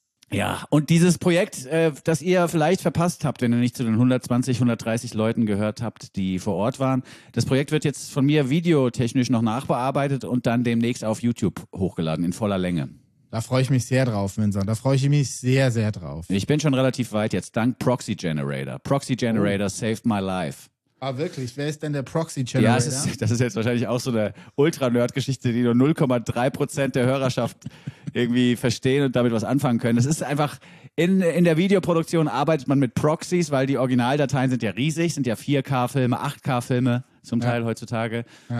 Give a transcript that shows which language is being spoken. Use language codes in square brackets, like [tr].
[de] Ja, und dieses Projekt, das ihr vielleicht verpasst habt, wenn ihr nicht zu den 120, 130 Leuten gehört habt, die vor Ort waren. Das Projekt wird jetzt von mir videotechnisch noch nachbearbeitet und dann demnächst auf YouTube hochgeladen, in voller Länge. Da freue ich mich sehr drauf, Vinson. Da freue ich mich sehr, sehr drauf. Ich bin schon relativ weit jetzt, dank Proxy Generator. [en] Proxy Generator saved my life. [de] Ah, wirklich? Wer ist denn der Proxy Generator? Ja, das ist jetzt wahrscheinlich auch so eine Ultra-Nerd-Geschichte, die nur 0,3% der Hörerschaft irgendwie verstehen und damit was anfangen können. Das ist einfach, in der Videoproduktion arbeitet man mit Proxys, weil die Originaldateien sind ja riesig, sind ja 4K-Filme, 8K-Filme zum Teil heutzutage. Ja.